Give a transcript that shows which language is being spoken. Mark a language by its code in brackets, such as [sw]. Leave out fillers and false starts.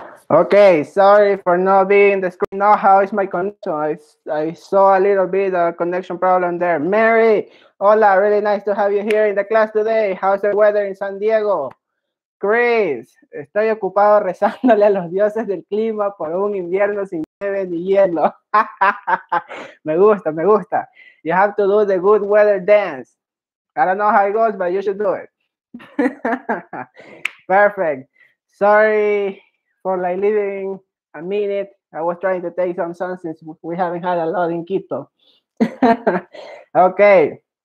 [en] Okay, sorry for not being the screen. Now, how is my connection? I saw a little bit of connection problem there. Mary, hola, really nice to have you here in the class today. How's the weather in San Diego? [es] Chris, estoy ocupado rezándole a los dioses del clima por un invierno sin nieve ni hielo. Me gusta, me gusta. [en] You have to do the good weather dance. I don't know how it goes, but you should do it. Perfect. Sorry for like leaving a minute. I was trying to take some sun since we haven't had a lot in Quito. Okay.